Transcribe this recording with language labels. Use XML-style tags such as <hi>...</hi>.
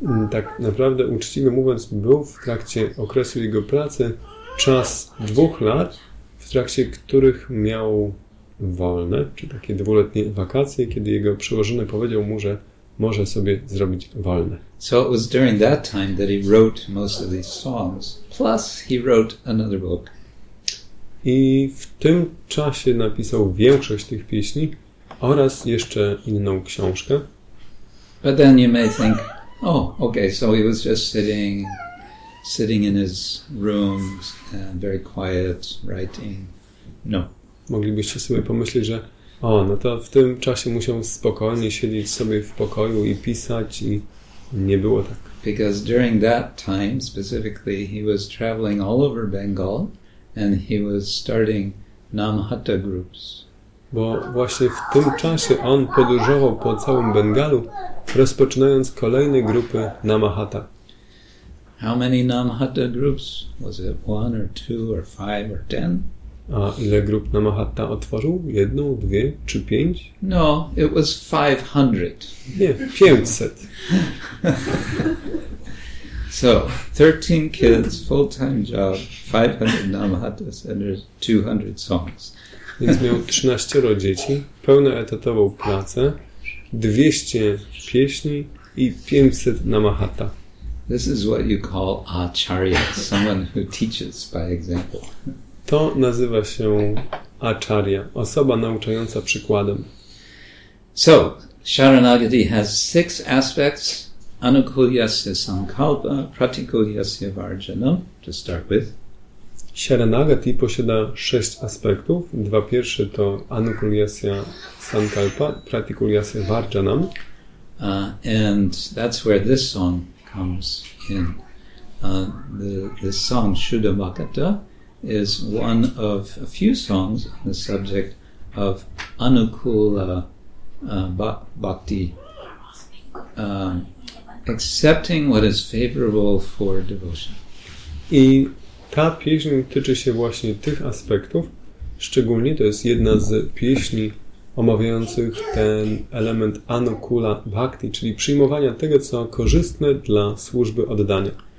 <pl>Tak naprawdę, uczciwie mówiąc, był w trakcie okresu jego pracy czas 2 lat, w trakcie których miał wolne, czy takie dwuletnie wakacje, kiedy jego przełożony powiedział mu, że może sobie zrobić wolne.</pl> <en>So it was during that time that he wrote most of these songs. Plus he wrote another book.</en> <pl>I w tym czasie napisał większość tych pieśni oraz jeszcze inną książkę.</pl> <en>But then you may think, oh, okay, so he was just sitting in his room, very quiet, writing. No.</en> <pl>Moglibyście sobie pomyśleć, że o, no to w tym czasie musiał spokojnie siedzieć sobie w pokoju i pisać, i nie było tak.</pl> <en>Because during that time, specifically, he was traveling all over Bengal and he was starting Namhatta groups.</en> <pl>Bo właśnie w tym czasie on podróżował po całym Bengalu, rozpoczynając kolejne grupy Namahata.</pl> <en>How many Namhatta groups? Was it one or two or five or ten?</en> <pl>A ile grup Namahatta otworzył? Jedną, dwie czy pięć?</pl> <en>No, it was 500.</en> <pl>Nie, 500.</pl> <en>So, 13 kids, full-time job, 500 Namahatta centers, 200 songs.</en> <pl>Więc miał 13 dzieci, pełnoetatową pracę, 200 pieśni i 500 Namahatta.</pl> <en>This is what you call acharya, someone who teaches by example.</en> <pl>To nazywa się acharya, osoba nauczająca przykładem.</pl> <en>So, Sharanagati has six aspects: anukulyasya sankalpa, pratikulyasya varjanam, to start with.</en> <pl>Sharanagati posiada sześć aspektów. Dwa pierwsze to anukulyasya sankalpa, pratikulyasya varjanam.</pl> <en>And that's where this song comes in. The song Shuddhavakata is one of a few songs on the subject of anukula bhakti, accepting what is favorable for devotion.</en> <pl>I ta pieśń tyczy się właśnie tych aspektów, szczególnie to jest jedna z pieśni omawiających ten element anukula bhakti, czyli przyjmowania tego, co korzystne dla służby oddania.</pl>